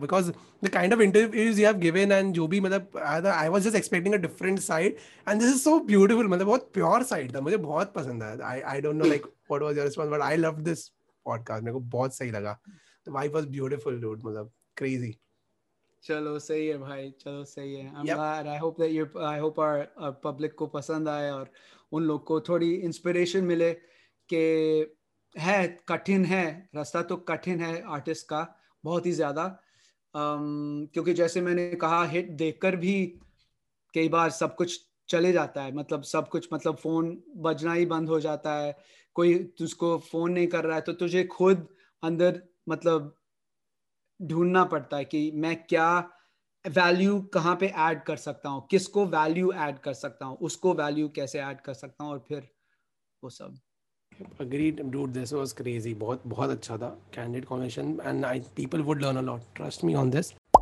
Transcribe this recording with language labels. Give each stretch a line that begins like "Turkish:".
English: Because the kind of interviews you have given and
Hindi: jo bhi,
English: I was just expecting a different side. And this is so beautiful. It was a pure side.
Hindi: Tha. Mujhe bahut pasand hai.
English: I don't know like what was your response, but I loved this podcast.
Hindi: Mujhe bahut sahi laga.
English: The vibe was beautiful, dude.
Hindi: Matlab, crazy. चलो सही है भाई चलो सही है
English: I'm glad I hope that our public
Hindi: को पसंद आए और उन लोग को थोड़ी इंस्पिरेशन मिले कि है कठिन है रास्ता तो कठिन है आर्टिस्ट का बहुत ही ज्यादा क्योंकि जैसे मैंने कहा हिट देखकर भी कई बार सब कुछ चले जाता है मतलब सब कुछ मतलब फोन बजना ही बंद हो जाता है कोई तुझको फोन नहीं कर रहा है तो तुझे खुद अंदर मतलब ढूंढना पड़ता है कि मैं क्या वैल्यू कहाँ पे ऐड कर सकता हूँ किसको वैल्यू ऐड कर सकता हूँ उसको वैल्यू कैसे ऐड कर सकता हूँ और फिर वो सब
English: Agreed, dude. This was crazy.
Hindi: बहुत अच्छा था
English: candid conversation and people would learn a lot. Trust me on this.